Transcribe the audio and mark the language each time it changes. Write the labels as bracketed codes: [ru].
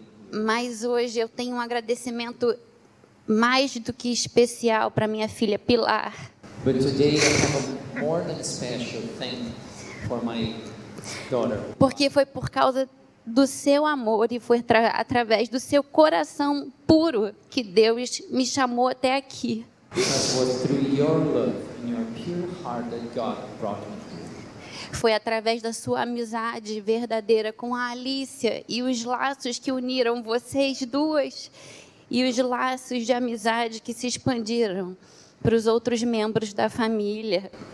[pt] Mas hoje eu tenho agradecimento mais do que especial para minha filha Pilar. [en] But today I have a more than special thank for my daughter. [pt] Porque foi por causa do seu amor e foi através do seu coração puro que Deus me chamou até aqui. [en] Because it was through your love and your pure heart that God brought me here. [pt] Foi através da sua amizade verdadeira com a Alicia e os laços que uniram vocês duas e os laços de amizade que se expandiram para os outros membros da família.